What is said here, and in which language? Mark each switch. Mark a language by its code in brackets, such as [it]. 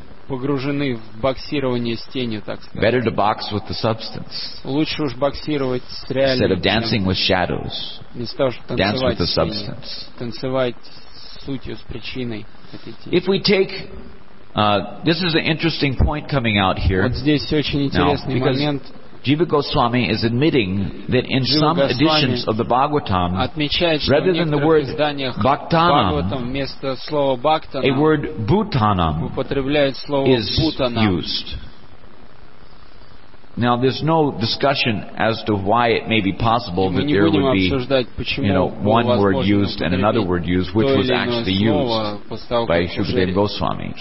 [ru] Погружены в боксирование с тенью, так сказать. [en] Better to box with the substance. [ru] Лучше уж боксировать с реальным. [en] Instead of dancing with shadows, dance with the substance. [ru] Танцевать с сутью, с причиной. [en] If we take this is an interesting point coming out here. [ru] Вот здесь очень интересный момент. [en] Jiva Goswami is admitting that in some editions of the Bhagavatam, rather than the word bhaktanam, a word bhutanam is used. Now, there's no discussion as to why it may be possible that there would be, one word used and another word used, which was actually used by Shukadeva Goswami.